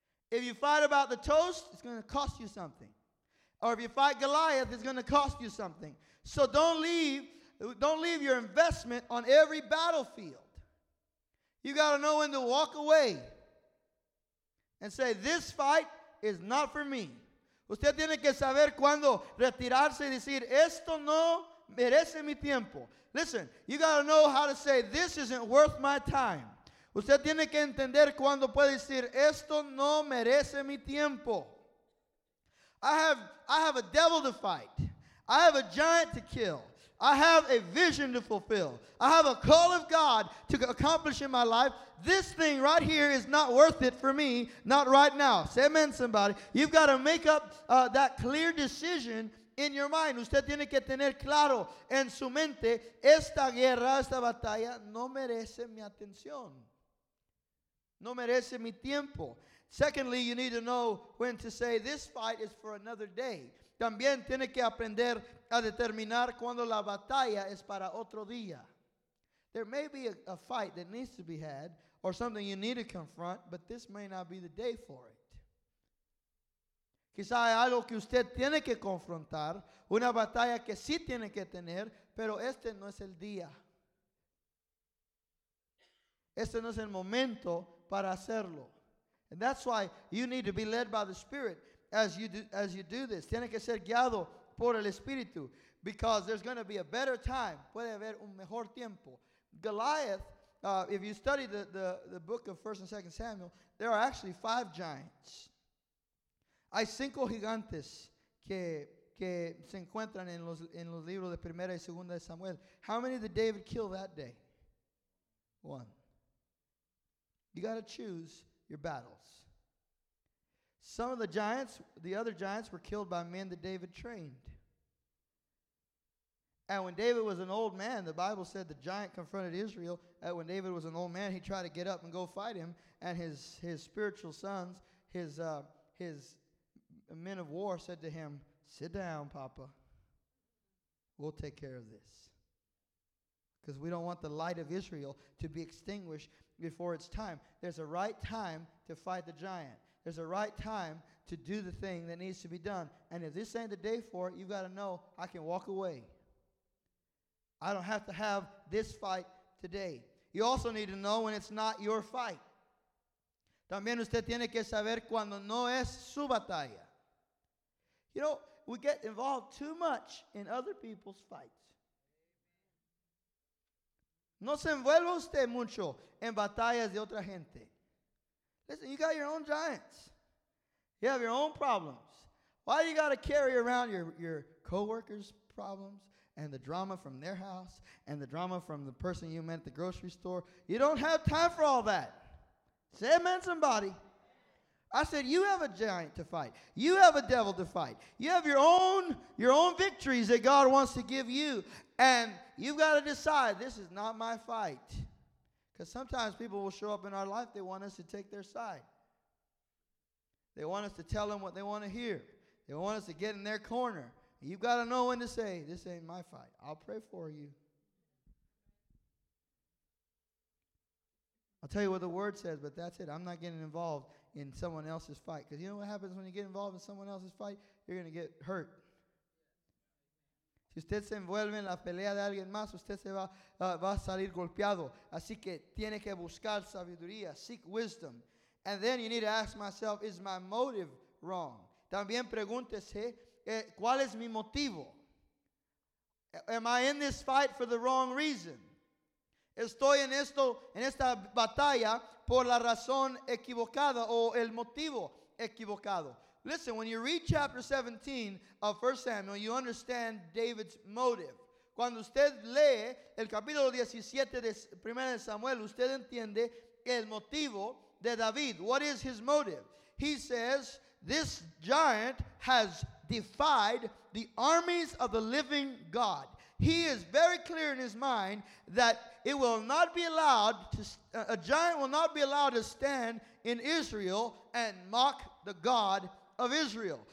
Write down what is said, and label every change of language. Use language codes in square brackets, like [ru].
[en] If you fight about the toast, it's going to cost you something. Or if you fight Goliath, it's going to cost you something. So don't leave your investment on every battlefield. You got to know when to walk away and say, this fight is not for me. [es] Usted tiene que saber cuándo retirarse y decir, esto no merece mi tiempo. [en] Listen, you got to know how to say, this isn't worth my time. [es] Usted tiene que entender cuándo puede decir, esto no merece mi tiempo. [en] I have a devil to fight. I have a giant to kill. I have a vision to fulfill. I have a call of God to accomplish in my life. This thing right here is not worth it for me, not right now. Say amen, somebody. You've got to make up that clear decision in your mind. [es] Usted tiene que tener claro en su mente, esta guerra, esta batalla, no merece mi atención. No merece mi tiempo. [en] Secondly, you need to know when to say, this fight is for another day. [es] También tiene que aprender a determinar cuando la batalla es para otro día. [en] There may be a fight that needs to be had or something you need to confront, but this may not be the day for it. [es] Quizá hay algo que usted tiene que confrontar, una batalla que sí tiene que tener, pero este no es el día. Este no es el momento para hacerlo. [en] And that's why you need to be led by the Spirit as you do this. [es] Tiene que ser guiado por el Espíritu, [en] because there's going to be a better time. [es] Puede haber un mejor tiempo. [en] Goliath, if you study the book of 1 and 2 Samuel, there are actually 5 giants. [es] Hay 5 gigantes que se encuentran en los libros de Primera y Segunda de Samuel. [en] How many did David kill that day? 1. You got to choose your battles. Some of the giants, the other giants, were killed by men that David trained. And when David was an old man, the Bible said the giant confronted Israel. And when David was an old man, he tried to get up and go fight him. And his spiritual sons, his men of war, said to him, "Sit down, Papa. We'll take care of this. Because we don't want the light of Israel to be extinguished before its time." There's a right time to fight the giant. There's a right time to do the thing that needs to be done. And if this ain't the day for it, you've got to know, I can walk away. I don't have to have this fight today. You also need to know when it's not your fight. [es] También usted tiene que saber cuando no es su batalla. [en] You know, we get involved too much in other people's fights. [es] No se envuelva usted mucho en batallas de otra gente. [en] Listen, you got your own giants. You have your own problems. Why do you got to carry around your co-workers' problems and the drama from their house and the drama from the person you met at the grocery store? You don't have time for all that. Say amen, somebody. I said, you have a giant to fight. You have a devil to fight. You have your own victories that God wants to give you. And you've got to decide, this is not my fight. Because sometimes people will show up in our life, they want us to take their side. They want us to tell them what they want to hear. They want us to get in their corner. You've got to know when to say, this ain't my fight. I'll pray for you. I'll tell you what the word says, but that's it. I'm not getting involved in someone else's fight. Because you know what happens when you get involved in someone else's fight? You're going to get hurt. [es] Si usted se envuelve en la pelea de alguien más, usted se va a salir golpeado. Así que tiene que buscar sabiduría. [en] Seek wisdom. And then you need to ask myself, is my motive wrong? [es] También pregúntese, ¿cuál es mi motivo? [en] Am I in this fight for the wrong reason? [es] ¿Estoy en esta batalla por la razón equivocada o el motivo equivocado? [en] Listen, when you read chapter 17 of 1 Samuel, you understand David's motive. [es] Cuando usted lee el capítulo 17 de 1 Samuel, usted entiende el motivo de David. [en] What is his motive? He says, this giant has defied the armies of the living God. He is very clear in his mind that it will not be allowed to, a giant will not be allowed to stand in Israel and mock the God of Israel.